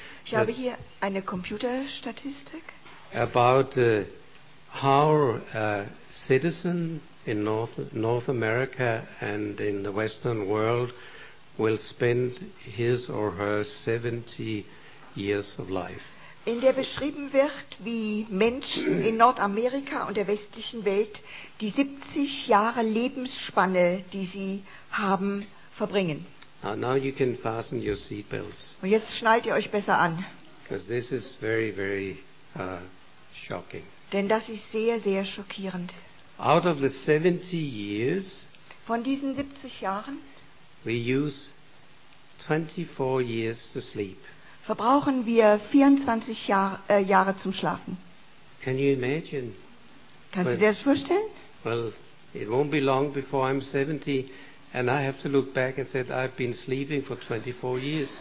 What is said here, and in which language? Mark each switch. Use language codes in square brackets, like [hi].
[de] Ich habe hier eine Computerstatistik. [en] About how a citizen in North America and in the Western world will spend his or her 70 years of life. [de] In der beschrieben wird, wie Menschen in Nordamerika und der westlichen Welt die 70 Jahre Lebensspanne, die sie haben, verbringen. [en] Now you can fasten your seatbelts. [de] Und jetzt schnallt ihr euch besser an. [en] Because this is very, very shocking. [de] Denn das ist sehr, sehr schockierend. [en] Out of the 70 years, [de] von diesen 70 Jahren, [en] we use 24 years to sleep. [de] Verbrauchen wir 24 Jahre zum Schlafen. [en] Can you imagine? [de] Kannst du dir das vorstellen? [en] Well, it won't be long before I'm 70 and I have to look back and say I've been sleeping for 24 years.